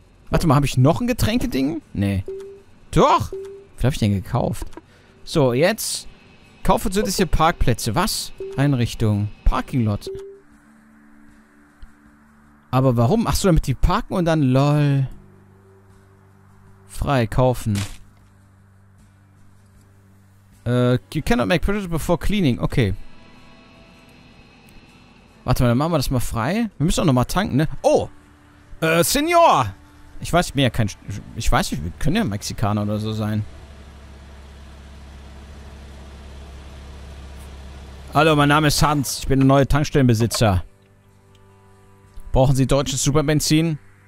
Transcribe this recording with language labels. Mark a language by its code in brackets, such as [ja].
[de] Warte mal, habe ich noch ein Getränkeding? Nee. Doch! Wie habe ich den gekauft? So, jetzt. Kaufe so diese Parkplätze. Was? Einrichtung. Parking Lot. Aber warum? Ach so, damit die parken und dann lol. Frei kaufen. [en] You cannot make purchases before cleaning. Okay. [de] Warte mal, dann machen wir das mal frei. Wir müssen auch nochmal tanken, ne? Oh! Senior! Ich weiß, ich bin ja kein... Ich weiß nicht, wir können ja Mexikaner oder so sein. Hallo, mein Name ist Hans. Ich bin der neue Tankstellenbesitzer. Brauchen Sie deutsches Superbenzin?